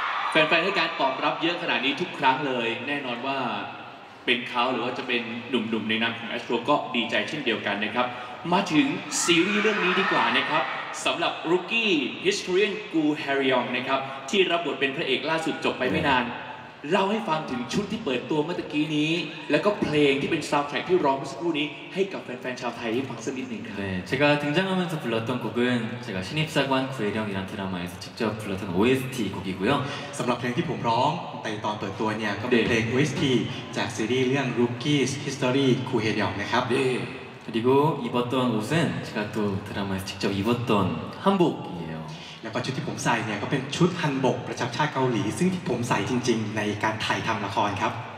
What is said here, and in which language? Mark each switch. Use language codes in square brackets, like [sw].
[th] แฟนๆให้การตอบรับเยอะขนาดนี้ทุกครั้งเลยแน่นอนว่าเป็นเขาหรือว่าจะเป็นหนุ่มๆในนามของแอสโตรก็ดีใจเช่นเดียวกันนะครับมาถึงซีรีส์เรื่องนี้ดีกว่านะครับสำหรับรุกกี้ฮิสทอรีนกูแฮริองนะครับที่รับบทเป็นพระเอกล่าสุดจบไปไม่นานเล่าให้ฟังถึงชุดที่เปิดตัวเมื่อกี้นี้แล้วก็เพลงที่เป็นซาวด์แทร็กที่ร้องเมื่อสักครู่นี้ให้กับแฟนๆชาวไทยฟังสักนิดหนึ่งครับ네 [ko] 제가등장하면서불렀던곡은제가신입사관구혜령이라는드라마에서직접불렀던 OST 곡이고요 [th] สำหรับเพลงที่ผมร้องในตอนเปิดตัวเนี่ยก็เป็นเพลง OST จากซีรีส์เรื่อง Rookie's History กูแฮริองนะครับ [ko] 네그리고입었던옷은제가또드라마에서직접입었던한복이에요 [th] แล้วก็ชุดที่ผมใส่เนี่ยก็เป็นชุดฮันบกประจำชาติเกาหลีซึ่งที่ผมใส่จริงๆในการถ่ายทำละครครับ